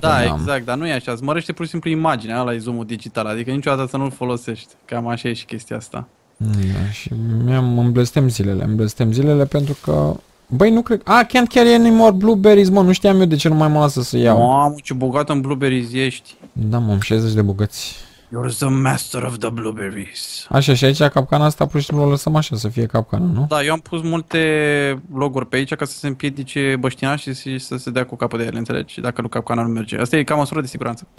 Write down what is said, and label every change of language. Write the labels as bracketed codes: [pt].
[ro] Da, exact, dar nu e așa. Îți mărește pur și simplu imaginea, ăla e zoom-ul digital. Adică niciodată să nu-l folosești. Cam așa e și chestia asta. Da, și îmi blestem zilele pentru că... Băi, nu cred... [en] Ah, can't carry anymore blueberries, [ro] mă, nu știam eu de ce nu mai mă lasă să iau. Mamă, ce bogat în blueberries ești. Da, mă, am 60 de bogăți. [en] You're the master of the blueberries. [ro] Așa, și aici capcana asta, pur și simplu o lăsăm așa să fie capcana, nu? Da, eu am pus multe loguri pe aici ca să se împiedice băștinașii și să se dea cu capul de ele, înțelegi? Și dacă nu capcana nu merge. Asta e ca măsură de siguranță.